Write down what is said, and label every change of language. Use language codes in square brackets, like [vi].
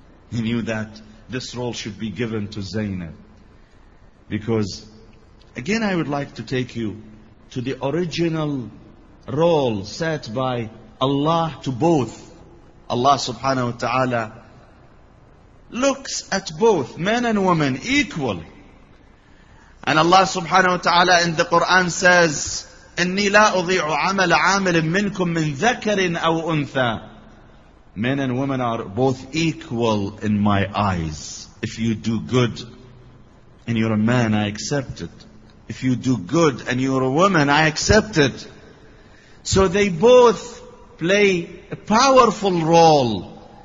[en] He knew that this role should be given to Zainab. Because, again, I would like to take you to the original role set by Allah to both. Allah subhanahu wa ta'ala looks at both, men and women, equally. And Allah subhanahu wa ta'ala in the Quran says, [ar] إِنِّي لَا أُضِيعُ عَمَلَ عَامِلٍ مِّنْكُمْ مِّنْ ذَكَرٍ أَوْ أُنْثَى. [en] Men and women are both equal in my eyes. If you do good and you're a man, I accept it. If you do good and you're a woman, I accept it. So they both play a powerful role.